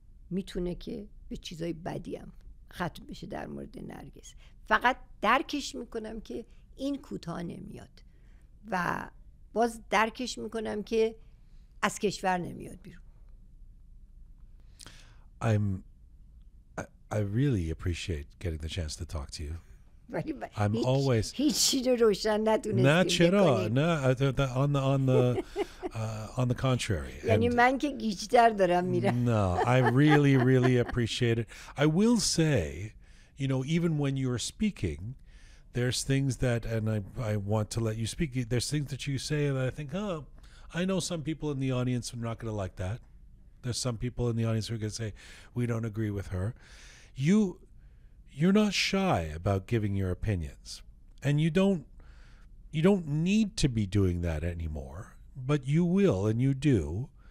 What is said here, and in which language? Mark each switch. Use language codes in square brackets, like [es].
[fa] میتونه که به چیزای بدی هم ختم بشه در مورد نرگس فقط درکش میکنم که این کوتا نمیاد و باز درکش میکنم که از کشور نمیاد بیرون [en] I really appreciate getting the chance to talk to you I'm [fa] هیچ [en] always [fa] هیچی رو روشن ندونستیم نه چرا نه [en] on the contrary [fa] یعنی من که گیجتر دارم میرم [en] no I really really appreciate it I will say you know even when you're speaking there's things that and I want to let you speak there's things that you say that I think oh I know some people in the audience are not going to like that there's some people in the audience who are going to say we don't agree with her you're not shy about giving your opinions and you don't need to be doing that anymore, but you will and you do.